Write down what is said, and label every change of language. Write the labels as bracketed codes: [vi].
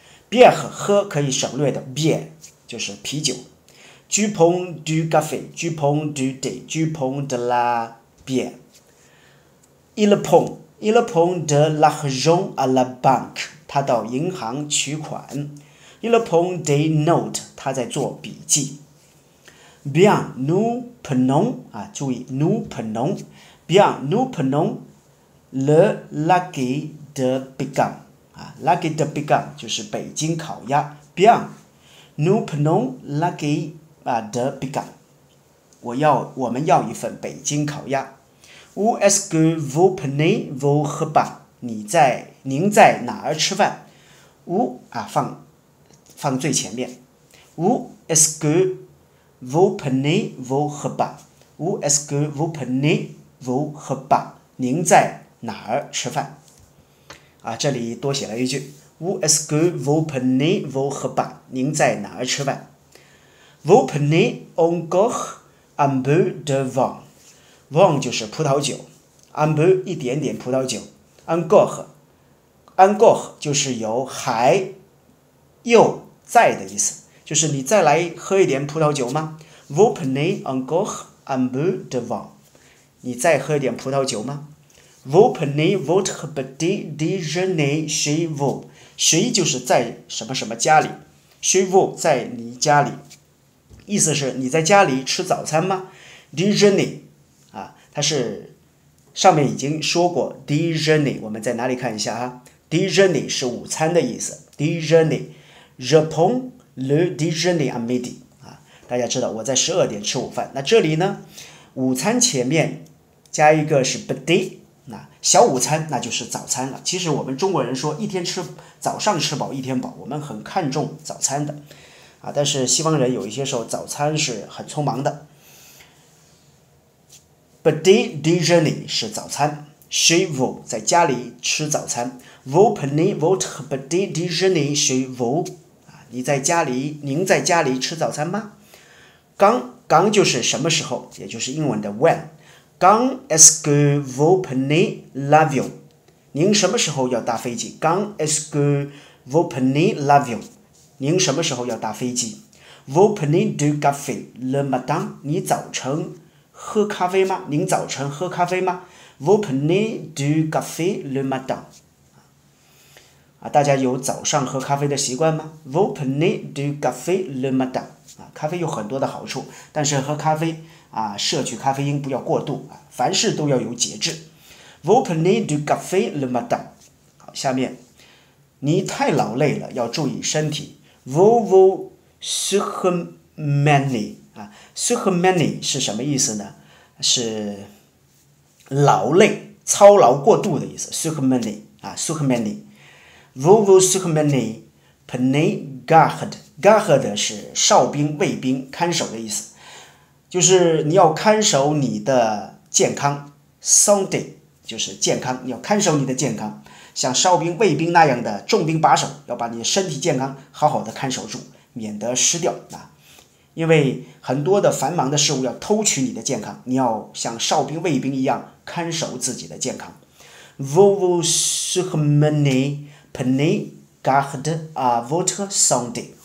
[zh] bière 喝可以省略的 bière 就是啤酒。 [fr] Tu prends du café, tu prends du thé, tu prends de la bière. Il prend de l'argent à la banque. [zh] 他到银行取款。 [fr] Il prend des notes. [zh] 他在做笔记。 [fr] Bien, nous prenons, [zh] 啊，注意 [fr] nous prenons. Bien, nous prenons le lucky de Pékin. [zh] 啊 ，lucky de Pékin 就是北京烤鸭。 [fr] Bien, nous prenons lucky. De Pékin. [zh] 我们要一份北京烤鸭。 [fr] Où est-ce que vous prenez vos repas? [zh] 您在哪儿吃饭？Où, 放最前面。 [fr] Où est-ce que vous prenez vos repas? Où est-ce que vous prenez vos repas? [zh] 您在哪儿吃饭？这里多写了一句。 [fr] Où est-ce que vous prenez vos repas? [zh] 您在哪儿吃饭？ [fr] Vous prenez encore un peu de vin. [zh] Vin 就是葡萄酒。 Un peu 一点点葡萄酒。 [fr] Encore. [zh] Encore 就是有还又在的意思。就是你再来喝一点葡萄酒吗 ? [fr] Vous prenez encore un peu de vin. [zh] 你再喝一点葡萄酒吗 ? [fr] Vous prenez votre petit déjeuner chez vous. [zh] Chez 就是在什么什么家里。 Chez vous 在你家里。意思是你在家里吃早餐吗 ?Déjeuner, 它是上面已经说过 ,Déjeuner, 我们在哪里看一下啊 ?Déjeuner 是午餐的意思 ,Déjeuner, [fr] Je prends le déjeuner à midi, [zh] 大家知道我在12点吃午饭那这里呢午餐前面加一个是 petit, 那小午餐那就是早餐了其实我们中国人说一天吃早上吃饱一天饱我们很看重早餐的。但是西方人有一些时候早餐是很匆忙的。 Petit déjeuner 是早餐。 Chez vous 在家里吃早餐。 [fr] Vous prenez votre petit déjeuner chez vous. [zh] 您在家里吃早餐吗？刚就是什么时候，也就是英文的 when。 [fr] Quand est-ce que vous prenez l'avion? [zh] 您什么时候要搭飞机？ [fr] Quand est-ce que vous prenez l'avion? [zh] 您什么时候要搭飞机 [fr] ?Vous prenez du café le matin? [zh] 你早晨喝咖啡吗您早晨喝咖啡吗 ? [fr] Vous prenez du café le matin? [zh] 大家有早上喝咖啡的习惯吗 ? [fr] Vous prenez du café le matin? [zh] 咖啡有很多的好处但是喝咖啡摄取咖啡因不要过度凡事都要有节制。 [fr] Vous prenez du café le matin? [zh] 好下面。你太劳累了要注意身体。 [fr] Vous vous surmenez, [zh] surmenez 是什么意思呢是劳累操劳过度的意思 surmenez, surmenez. [fr] Vous vous surmenez, prenez garde. [zh] Garde 是哨兵卫兵看守的意思。就是你要看守你的健康 santé, 就是健康你要看守你的健康。像哨兵卫兵那样的重兵把守要把你身体健康好好的看守住免得失掉因为很多的繁忙的事物要偷取你的健康你要像哨兵卫兵一样看守自己的健康 [fr] Vous vous surmenez prenez garde à votre santé